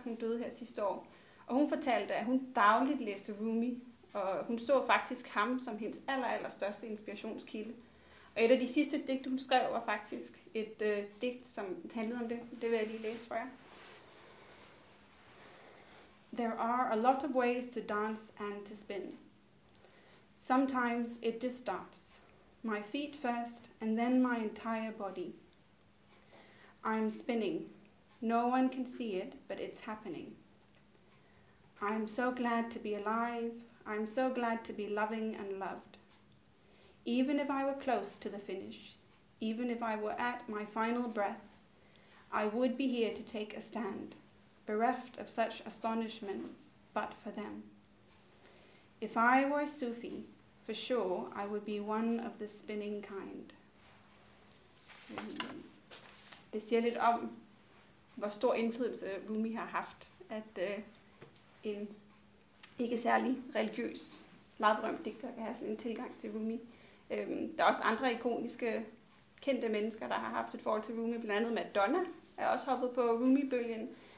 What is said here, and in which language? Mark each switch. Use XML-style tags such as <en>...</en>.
<da>Hun døde her sidste år. Og hun fortalte, at hun dagligt læste Rumi, og hun så faktisk ham som hendes aller største inspirationskilde. Og et af de sidste digte, hun skrev, var faktisk et digt, som handlede om det. Det vil jeg lige læse for jer.</da> <en>There are a lot of ways to dance and to spin. Sometimes it just starts. My feet first, and then my entire body. I'm spinning. No one can see it, but it's happening. I'm so glad to be alive. I'm so glad to be loving and loved. Even if I were close to the finish, even if I were at my final breath, I would be here to take a stand. Bereft of such astonishments, but for them. If I were a Sufi, for sure I would be one of the spinning kind.</en> <da>Det siger lidt om, hvor stor indflydelse Rumi har haft, at en ikke særlig religiøs, meget berømt digter kan have sådan en tilgang til Rumi. Der er også andre ikoniske, kendte mennesker, der har haft et forhold til Rumi, blandt andet Madonna er også hoppet på Rumi-bølgen.</da>